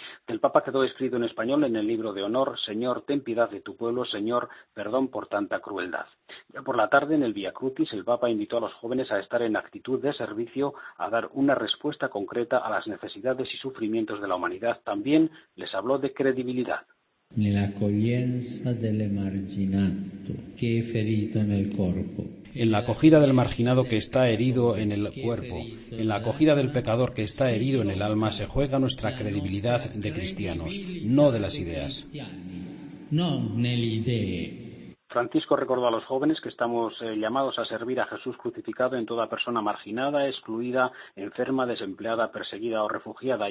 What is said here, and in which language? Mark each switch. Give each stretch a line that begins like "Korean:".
Spanish: Del Papa quedó escrito en español en el libro de honor: Señor, ten piedad de tu pueblo, Señor, perdón por tanta crueldad. Ya por la tarde en el Via Crucis el Papa invitó a los jóvenes a estar en actitud de servicio, a dar una respuesta concreta a las necesidades y sufrimientos de la humanidad. También les habló de credibilidad.
Italian: La accoglienza dell'emarginato che è ferito nel corpo.
Spanish: En la acogida del marginado que está herido en el cuerpo, en la acogida del pecador que está herido en el alma, se juega nuestra credibilidad de cristianos, no de las ideas.
Italian: No nelle idee.
Spanish: Francisco recordó a los jóvenes que estamos llamados a servir a Jesús crucificado en toda persona marginada, excluida, enferma, desempleada, perseguida o refugiada.